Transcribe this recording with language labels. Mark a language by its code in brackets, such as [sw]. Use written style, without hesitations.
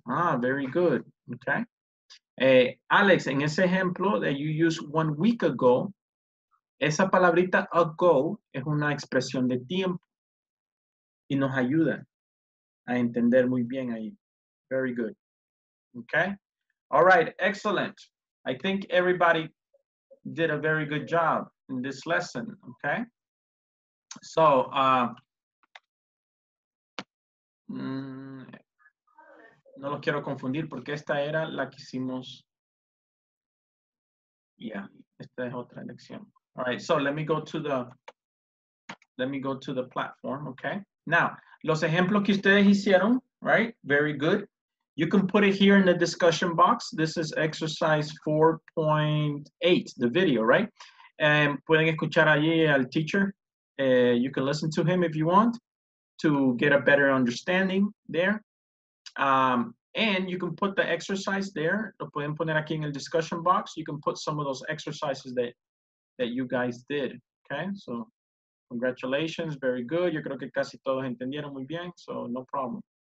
[en] Ah, very good. [es] Okay. Alex, en ese ejemplo [en] that you used 1 week ago, [es] esa palabrita ago es una expresión de tiempo y nos ayuda a entender muy bien ahí. [en] Very good. Okay. All right. Excellent. I think everybody did a very good job in this lesson. Okay. [es] So, no los quiero confundir porque esta era la que hicimos. Yeah, esta es otra lección. [en] All right, so let me go to the platform, okay? [es] Now, los ejemplos que ustedes hicieron, right? [en] Very good. You can put it here in the discussion box. This is exercise 4.8, the video, right? And [es] pueden escuchar allí al teacher. [en] You can listen to him if you want to get a better understanding there. And you can put the exercise there. [es] Lo pueden poner aquí en el discussion box. [en] You can put some of those exercises that you guys did. Okay, so congratulations, very good. [es] Yo creo que casi todos entendieron muy bien, [en] so no problem.